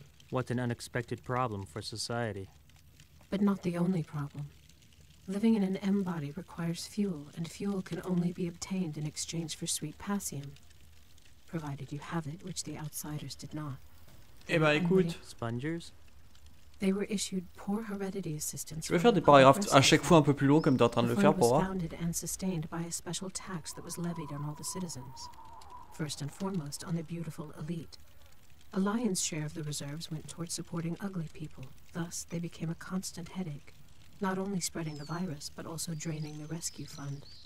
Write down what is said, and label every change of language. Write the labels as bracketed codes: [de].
[en] What an unexpected problem for society. But not the only problem. Living in an M-body requires fuel, and fuel can only be obtained in exchange for sweet passium. Provided you have it, which the outsiders did not. [fr] Eh ben écoute. [en] Spongers? They were issued poor heredity assistance. [fr] Je vais faire des paragraphes à chaque fois un peu plus long comme t'es en train de le faire pour voir. [en] The fund was founded and sustained by a special tax that was levied on all the citizens. First and foremost, on the beautiful elite. A lion's share of the reserves went towards supporting ugly people. Thus, they became a constant headache, not only spreading the virus, but also draining the rescue fund.